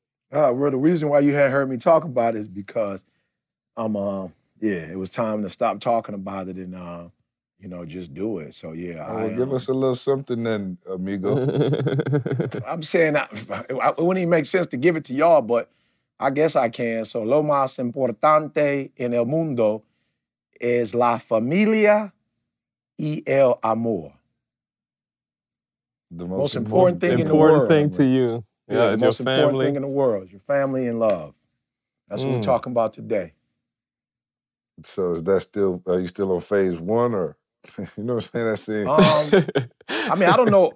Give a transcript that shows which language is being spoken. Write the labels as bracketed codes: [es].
[en] The reason why you hadn't heard me talk about it is because I'm, it was time to stop talking about it and, just do it. So, give us a little something then, amigo. I'm saying it wouldn't even make sense to give it to y'all, but I guess I can. [es] So, lo más importante en el mundo es la familia y el amor. [en] The most important thing in the world. Important thing to you. Yeah, the most important thing in the world. Your family and love. That's what we're talking about today. So, is that still, are you still on phase one or, you know what I'm saying? I mean, I don't know.